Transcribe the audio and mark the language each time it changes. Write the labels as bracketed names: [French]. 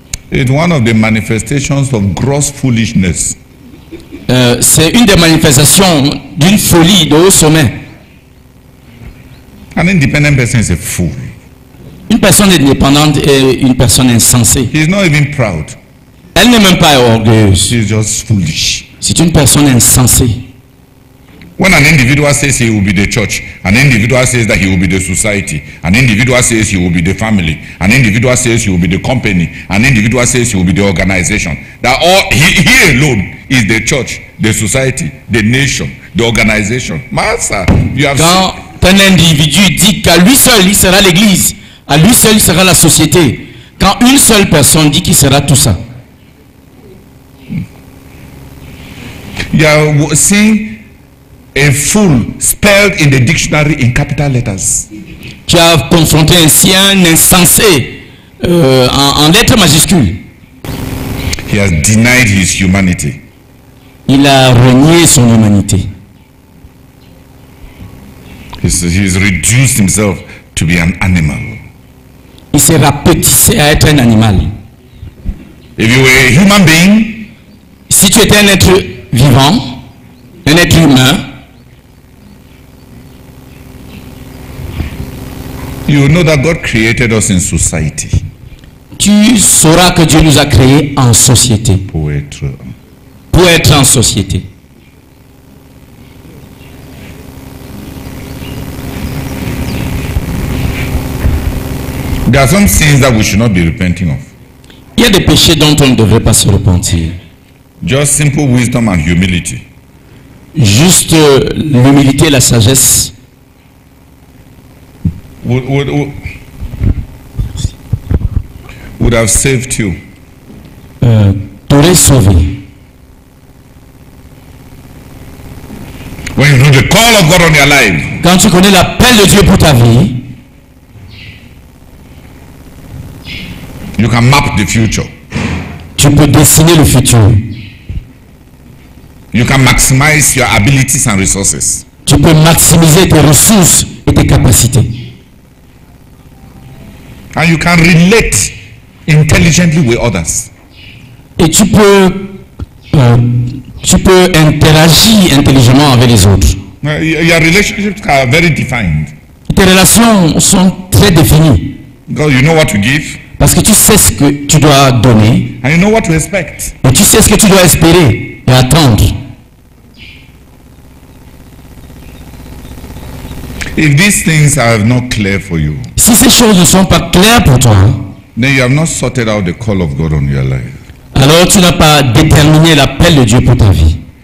[English] It's one of the manifestations of gross foolishness. [French] C'est une des manifestations d'une folie de haut sommet. [English] An independent person is a fool. [French] Une personne indépendante est une personne insensée. [English] He's not even proud. [French] Elle n'est même pas orgueilleuse. [English] She's just foolish. [French] C'est une personne insensée. [English] When an individual says he will be the church, an individual says that he will be the society, an individual says he will be the family, an individual says he will be the company, an individual says he will be the organization, that all he alone is the church, the society, the nation, the organization. Master, you have quand seen. [French] Un individu dit qu'à lui seul il sera l'église, à lui seul il sera la société, quand une seule personne dit qu'il sera tout ça. [English] You have seen a fool spelled in the dictionary in capital letters. [French] Tu as confronté ainsi un insensé en lettres majuscules. [English] He has denied his humanity. [French] Il a renié son humanité. [English] He's reduced himself to be an animal. [French] Il s'est rapetissé à être un animal. [English] If you were a human being, [French] si tu étais un être vivant, un être humain, [English] you know that God created us in society. [French] Tu sauras que Dieu nous a créés en société. Pour être en société. [English] There are some sins that we should not be repenting of. [French] Il y a des péchés dont on ne devrait pas se repentir. [English] Just simple wisdom and humility. [French] Juste l'humilité et la sagesse. [English] Would have saved you. [French] T'aurais sauvé. [English] When you know the call of God on your life. [French] Quand tu connais l'appel de Dieu pour ta vie, [English] you can map the future. [French] Tu peux dessiner le futur. [English] You can maximize your abilities and resources. [French] Tu peux maximiser tes ressources et tes capacités. [English] And you can relate intelligently with others. [French] Et tu peux interagir intelligemment avec les autres. [English] Your relationships are very defined. [French] tes relations sont très définies. [English] God, you know what to give. [French] Parce que tu sais ce que tu dois donner. [English] And you know what to expect. [French] Et tu sais ce que tu dois espérer et attendre. [English] If these things are not clear for you, [French] si ces choses ne sont pas claires pour toi, [English] then you have not sorted out the call of God on your life. [French] Alors tu n'as pas déterminé l'appel de Dieu pour ta vie.